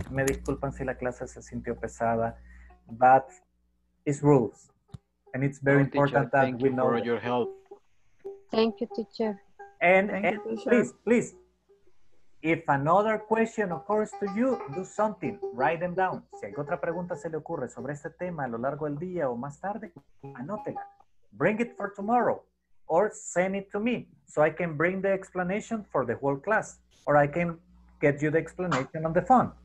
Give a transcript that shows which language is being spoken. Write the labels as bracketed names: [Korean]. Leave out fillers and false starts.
[Spanish] Me disculpan si la clase se sintió pesada, [English] but it's rules. And it's very important teacher, that we know. Thank you for your help. Thank you, teacher. And you, teacher. Please, If another question occurs to you, do something. Write them down. [Spanish] Si hay otra pregunta se le ocurre sobre este tema a lo largo del día o más tarde, anótela. [English] Bring it for tomorrow. Or send it to me. So I can bring the explanation for the whole class. Or I can get you the explanation on the phone.